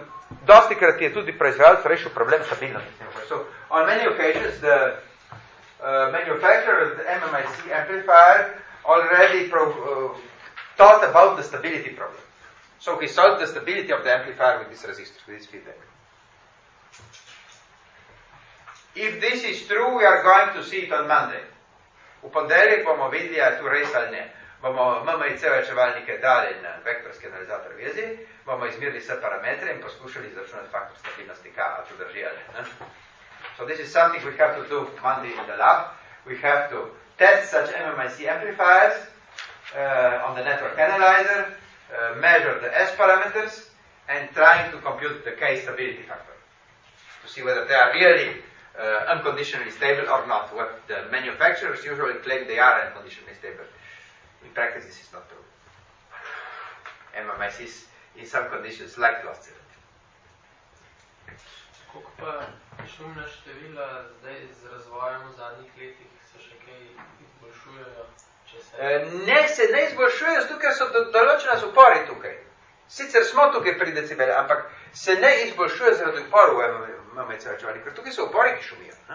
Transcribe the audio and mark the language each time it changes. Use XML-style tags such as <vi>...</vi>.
<sl>Dosti krat je tudi proizvajalec rešil problem stabilnosti.</sl> <en>So, on many occasions, the manufacturer of the MMIC amplifier already thought about the stability problem. So, he solved the stability of the amplifier with this resistor, with this feedback. If this is true, we are going to see it on Monday.</en> <sl>V ponedeljek bomo videli, ali je tu res ali ne. Bomo MMIC ojačevalnike dali na vektorski analizator vezi, bomo izmerili vse parametre in poskušali izračunati faktor stabilnosti K, ali to drži ali ne.</sl> <en>So this is something we have to do Monday in the lab. We have to test such MMIC amplifiers on the network analyzer, measure the S parameters and trying to compute the K stability factor to see whether they are really unconditionally stable or not. What the manufacturers usually claim they are unconditionally stable. In practice, this is not true. MMIC is, in some conditions, like the oscillator.</en> <sl>Koliko pa šumna števila zdaj z razvojem v zadnjih letih se še kaj izboljšujejo? Ne, se ne izboljšujejo, tukaj so določene upori tukaj. Sicer smo tukaj pri decibeli, ampak se ne izboljšuje zaradi uporu v MMIC ojačevalniku, ker tukaj so upori, ki šumijo.</sl>